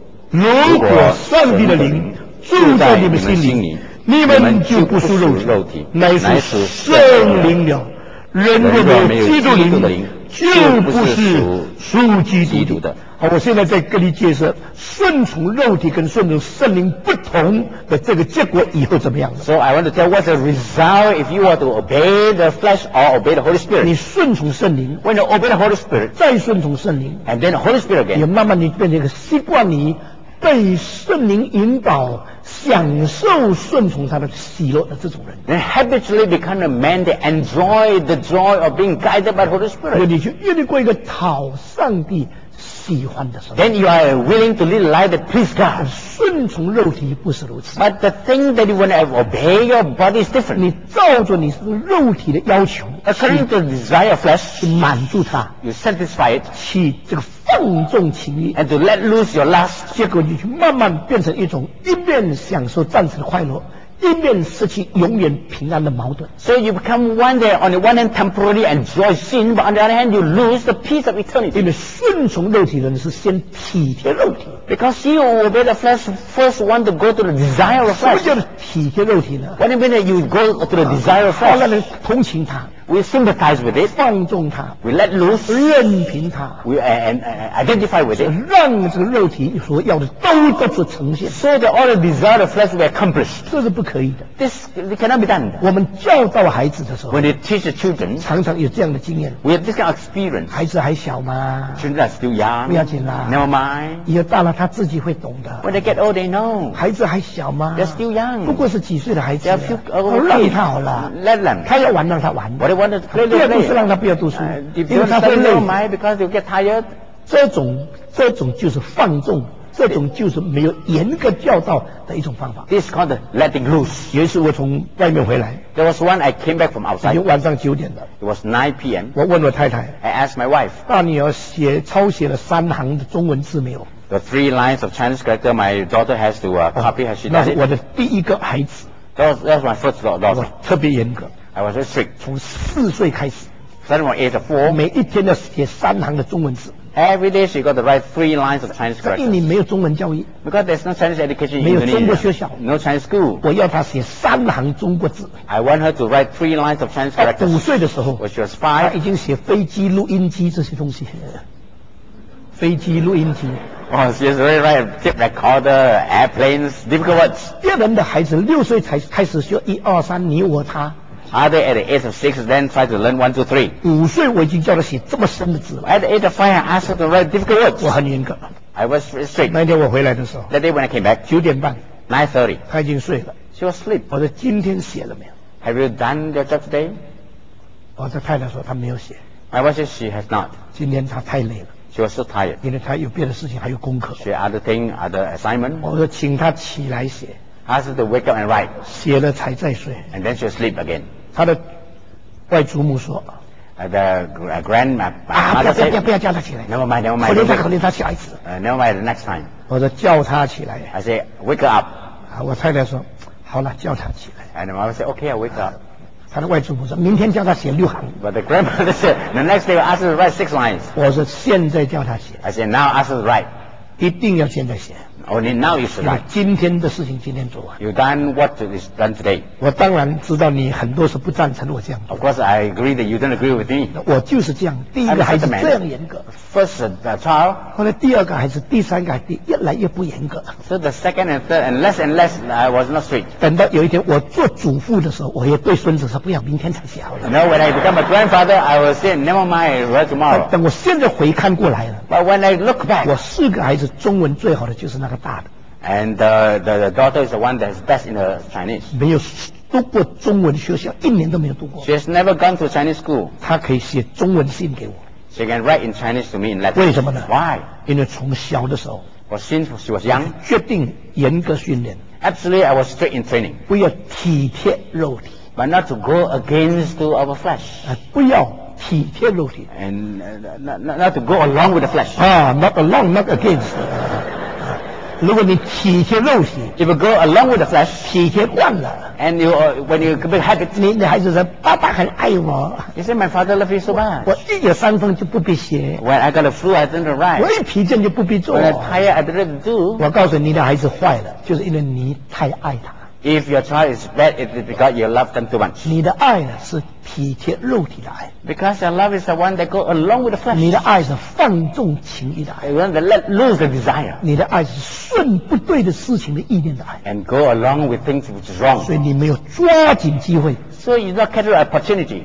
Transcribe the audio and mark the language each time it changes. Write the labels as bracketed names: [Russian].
[Chinese] 如果上帝的灵住在你们心里，你们就不属肉体，乃是圣灵了。人若没有基督灵，就不是属基督的。好，我现在再跟你解释顺从肉体跟顺从圣灵不同的这个结果以后怎么样。 [English] So I want to tell what's the result if you are to obey the flesh or obey the Holy Spirit. [Chinese] 你顺从圣灵， [English] When you obey the Holy Spirit, [Chinese] 再顺从圣灵， [English] And then the Holy Spirit again. [Chinese] 你慢慢你变成一个习惯，你被圣灵引导享受顺从他的喜乐的这种人。 [English] Then habitually become a man that enjoy the joy of being guided by the Holy Spirit. [Chinese] 你就越来越过一个讨上帝喜欢的时候。 [English] Then you are willing to live life that please God. [Chinese] 顺从肉体不是如此。 [English] But the thing that you want to obey your body is different. [Chinese] 你照着你肉体的要求。 [English] According to the desire of flesh. [Chinese] 去满足它。 [English] You satisfy it. [Chinese] 去这个放纵情欲。 [English] And to let loose your lust. [Chinese] 结果你就慢慢变成一种一面享受暂时的快乐，一面失去永远平安的矛盾。 [English] So you become one day on the one hand temporarily enjoy sin, but on the other hand you lose the peace of eternity. [Chinese] 因为顺从肉体的人是先体贴肉体。 [English] Because you obey the flesh first want to go to the desire of flesh. [Chinese] 什么叫体贴肉体呢？ [English] What do you mean that you go to the desire of flesh? [Chinese] 让人同情他。 [English] We sympathize with it. [Chinese] 放纵它。 [English] We let loose. [Chinese] 任凭它。 [English] We and identify with it. [Chinese] 让这个肉体所要的都得出呈现。 [English] So that all the desire of flesh will accomplish. [Chinese] 这是不可以的。 [English] This cannot be done. [Chinese] 我们教导孩子的时候。 [English] When you teach the children. [Chinese] 常常有这样的经验。 [English] We have this kind of experience. [Chinese] 孩子还小吗？ [English] Children are still young. [Chinese] 不要紧啦。 [English] Never mind. [Chinese] 以后大了他自己会懂的。 [English] When they get old, they know. [Chinese] 孩子还小吗？ [English] They're still young. [Chinese] 不过是几岁的孩子。 [English] They're few [Chinese] old. 让他好了。 [English] Let them. [Chinese] 他要玩了他玩。 [English] What want to play, [Chinese] 不要读书，让他不要读书，因为他会累。 [English] Mind, because you get tired. [Chinese] 这种就是放纵，这种就是没有严格教导的一种方法。 [English] This called letting loose. [Chinese] 有一次我从外面回来。 [English] There was one I came back from outside. [Chinese] 有晚上九点的。 [English] It was 9 p.m. [Chinese] 我问我太太。 [English] I asked my wife. [Chinese] 大女儿写抄写了三行的中文字没有 [English] ？The three lines of Chinese character my daughter has to copy. Has she done it? [Chinese] 那是我的第一个孩子。 [English] That was my first daughter. [Chinese] 我特别严格。 [English] I was very strict. [Chinese] 从四岁开始 [English] ，starting from age four， [Chinese] 每一天要写三行的中文字。 [English] Every day she got to write three lines of Chinese characters. [Chinese] 因为没有中文教育 [English] ，because there's no Chinese education in [Chinese] Indonesia. 没有中国学校 [English] ，no Chinese school. [Chinese] 我要她写三行中国字。 [English] I want her to write three lines of Chinese characters. [Chinese] 五岁的时候 [English] ，when she was five， [Chinese] 她已经写飞机、录音机这些东西。飞机、录音机。 [English] Oh, she's already right. Tape recorder, airplanes, difficult words. [Chinese] 别人的孩子六岁才开始学一二三，你我他。 [English] Other at the age of six, then try to learn one, two, three. [Chinese] 五岁我已经叫他写这么深的字了。 [English] At the age of five, I asked her to write difficult words. [Chinese] 我很严格。 [English] I was strict. [Chinese] 那天我回来的时候。 [English] That day when I came back. 9:30. 9:30. [Chinese] 他已经睡了。 [English] She was asleep. [Chinese] 我说今天写了没有？ [English] Have you done your job today? [Chinese] 我的太太说她没有写。 [English] My wife says she has not. [Chinese] 今天她太累了。 [English] She was so tired. [Chinese] 因为她有别的事情，还有功课。 [English] She had other things, other assignment. [Chinese] 我说请她起来写。 [English] Asked her to wake up and write. [Chinese] 写了才再睡。 [English] And then she was asleep again. [Chinese] 他的外祖母说 [English] ：“The grandma [Chinese] 啊，不要叫他起来。 [English] Never mind, never mind. [Chinese] 可怜他小孩子。 [English] Never mind, the next time. [Chinese] 我说叫他起来。 [English] I say, wake up. [Chinese] 我太太说，好了，叫他起来。 [English] And my wife say, okay, I wake up. [Chinese] 他的外祖母说，明天叫他写六行。 [English] But the grandmother said, the next day, ask her to write six lines. [Chinese] 我说现在叫他写。 [English] I say, now ask her to write. [Chinese] 一定要现在写。 [English] Only now you should write. [Chinese] 今天的事情今天做完。 [English] You done what is done today. [Chinese] 我当然知道你很多是不赞成我这样。 [English] Of course, I agree that you don't agree with me. [Chinese] 我就是这样，第一个孩子这样严格。 [English] First the child. [Chinese] 后来第二个孩子，第三个孩子越来越不严格。 [English] So the second and third and less I was not strict. [Chinese] 等到有一天我做祖父的时候，我也对孙子说不要明天才写好了。 [English] No, when I become a grandfather, I will say never mind, write tomorrow. [Chinese] 等我现在回看过来了。 [English] But when I look back, [Chinese] 我四个孩子中文最好的就是那个。 [English] And the daughter is the one that is best in her Chinese. [Chinese] 没有读过中文学校，一年都没有读过。 [English] She has never gone to Chinese school. [Chinese] 她可以写中文信给我。 [English] She can write in Chinese to me in letters. [Chinese] 为什么呢 [English] ？Why? [Chinese] 因为从小的时候 [English] ，Well, since she was young, [Chinese] 决定严格训练。 [English] Absolutely, I was strict in training. [Chinese] 不要体贴肉体 [English] ，but not to go against our flesh. [Chinese] 不要。体贴肉体 [English] ，and not to go along with the flesh. Not along, not against. [Chinese] 如果你体贴肉体 [English] ，if you go along with the flesh， [Chinese] 体贴惯了 [English] ，and you when you become habit， [Chinese] 你的孩子说爸爸很爱我 [English] ，you say my father loves you so much， [Chinese] 我一有伤风就不必写 [English] ，when I got a flu I didn't write， [Chinese] 我一疲倦就不必做 [English] ，when I'm tired I didn't do， [Chinese] 我告诉你的孩子坏了，就是因为你太爱他。 [English] If your child is bad, it's because you love them too much. [Chinese] 你的爱呢是体贴肉体的爱。 [English] Because your love is the one that goes along with the flesh. [Chinese] 你的爱是放纵情欲的爱。 [English] You want to let loose the desire. [Chinese] 你的爱是顺不对的事情的意念的爱。 [English] And go along with things which is wrong. [Chinese] 所以你没有抓紧机会。 [English] So you not catch the opportunity.